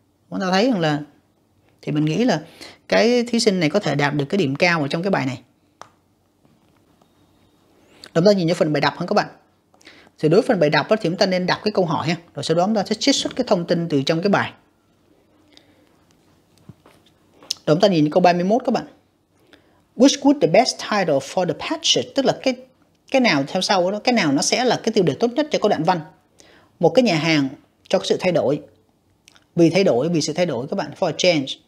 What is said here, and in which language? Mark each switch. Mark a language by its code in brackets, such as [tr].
[vi] Chúng ta thấy rằng là, thì mình nghĩ là cái thí sinh này có thể đạt được cái điểm cao ở trong cái bài này. Chúng ta nhìn vào phần bài đọc hơn các bạn. Thì đối với phần bài đọc đó, thì chúng ta nên đọc cái câu hỏi ha. Rồi sau đó chúng ta sẽ trích xuất cái thông tin từ trong cái bài. Rồi chúng ta nhìn câu 31 các bạn. [en] Which would the best title for the passage? [vi] Tức là cái nào theo sau đó, cái nào nó sẽ là cái tiêu đề tốt nhất cho câu đoạn văn. Một cái nhà hàng cho sự thay đổi. Vì thay đổi, vì sự thay đổi các bạn. [en] For a change.